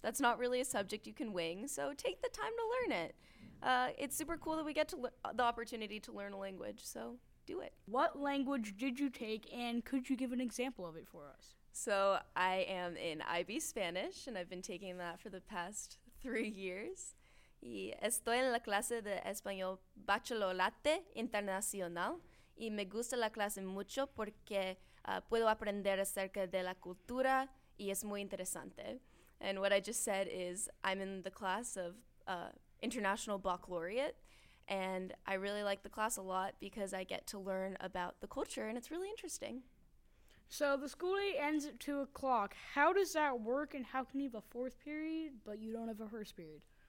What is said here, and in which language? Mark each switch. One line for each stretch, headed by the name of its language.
English: That's not really a subject you can wing, so take the time to learn it. It's super cool that we get to the opportunity to learn a language, so do it. What language did you take, and could you give an example of it for us? So I am in IB Spanish, and I've been taking that for the past 3 years.
Spanish: Y estoy en la clase de español bachillerato internacional, y me gusta la clase mucho porque puedo aprender acerca de la cultura, y es muy interesante.
English: And what I just said is I'm in the class of international baccalaureate, and I really like the class a lot because I get to learn about the culture, and it's really interesting. So the school day ends at 2 o'clock. How does that work, and how can you have a fourth period, but you don't have a first period?